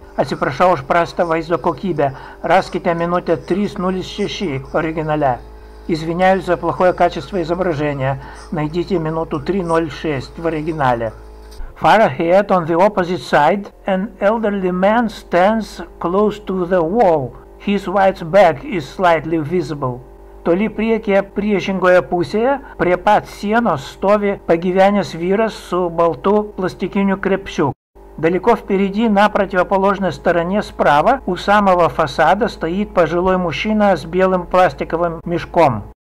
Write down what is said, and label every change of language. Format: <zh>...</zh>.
<lt>Atsiprašau už prastą vaizdo kokybę. Raskite minutę 306 originale.</lt> <ru>Извиняюсь за плохое качество изображения. Найдите минуту 306 в оригинале.</ru> <en>Far ahead, on the opposite side, an elderly man stands close to the wall. His white back is slightly visible.</en> <lt>Toli priekyje, priešingoje pusėje, prie pat sienos stovi pagyvenęs vyras su baltu plastikiniu krepšiu.</lt> <ru>Далеко впереди, на противоположной стороне справа, у самого фасада стоит пожилой мужчина с белым пластиковым мешком.</ru>